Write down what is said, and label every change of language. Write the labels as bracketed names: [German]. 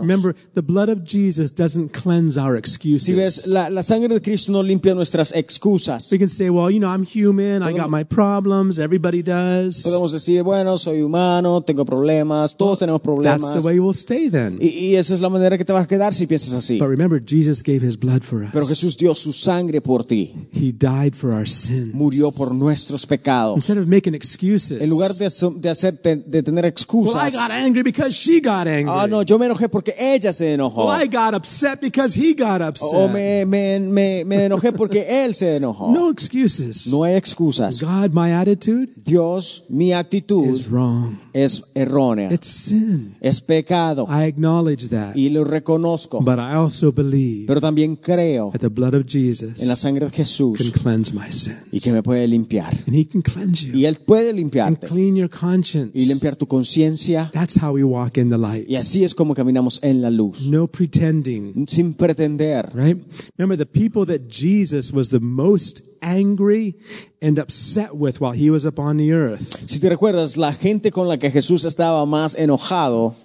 [English] Remember, the blood of Jesus doesn't cleanse our excuses. [Spanish] Si ves, la sangre de Cristo no limpia nuestras excusas. [English] We can say, well, you know, I'm human. I got my problems. Everybody does. [Spanish] Podemos decir, bueno, soy humano, tengo problemas. Todos tenemos problemas. [English] That's the way we'll stay then. [Spanish] Y esa es la manera que te vas a quedar. si piensas así. [English] But remember, Jesus gave his blood for us. [Spanish] Pero Jesús dio su sangre por ti. [English] He died for our sins. [Spanish] Murió por nuestros pecados. [English] Instead of making excuses. [Spanish] En lugar de tener excusas. [English] Well, I got angry because she got angry. [Spanish] Oh, no, yo me enojé porque ella se enojó. [English] Well, I got upset because he got upset. [Spanish] Oh, me enojé porque él se enojó. [English] No excuses. [Spanish] No hay excusas. [English] God, my attitude. [Spanish] Dios, mi actitud. [English] Is wrong. [Spanish] Es errónea. [English] It's sin. [Spanish] Es pecado. [English] I acknowledge that. [Spanish] Y lo reconozco. [English] But I also believe. [Spanish] Pero también creo. [English] That the blood of Jesus. [Spanish] En la sangre de Jesús. [English] Can cleanse my sins. [Spanish] Y que me puede limpiar. [English] And he can cleanse you. [Spanish] Y él puede limpiarte. [English] And clean your conscience. [Spanish] Y limpiar tu conciencia. [English] That's how we walk in the light. [Spanish] Y así es como caminamos en la luz. [English] No pretending. [Spanish] Sin pretender. [English] Right? Remember the people that Jesus was the most angry and upset with while he was upon the earth. [Spanish] Si te recuerdas, la gente con la que Jesús estaba más enojado